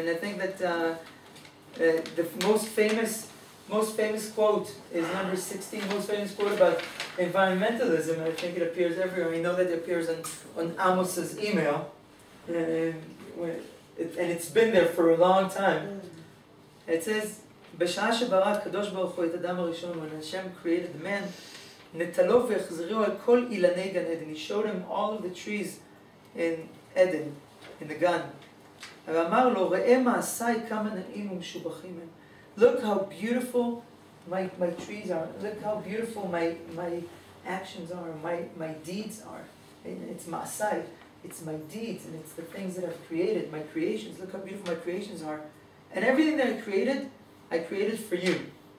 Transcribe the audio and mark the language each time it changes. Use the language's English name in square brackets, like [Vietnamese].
[English] And I think that the most famous quote is number 16, most famous quote about environmentalism, and I think it appears everywhere. We know that it appears on Amos's email, and it's been there for a long time. It says, [Hebrew] "B'sha'a shebara kadosh baruch hu et adam harishon, [English] when Hashem created man, [Hebrew] נטלו והחזריו על כל אילני גן עדן." [English] He showed him all of the trees in Eden, in the gun. [Hebrew] ואמר לו, ראה מעשי כמה נעים ומשובחים הם. [English] Look how beautiful my trees are. Look how beautiful my actions are, my deeds are. It's מעשי, it's my deeds, and it's the things that I've created, my creations. Look how beautiful my creations are. And everything that I created for you.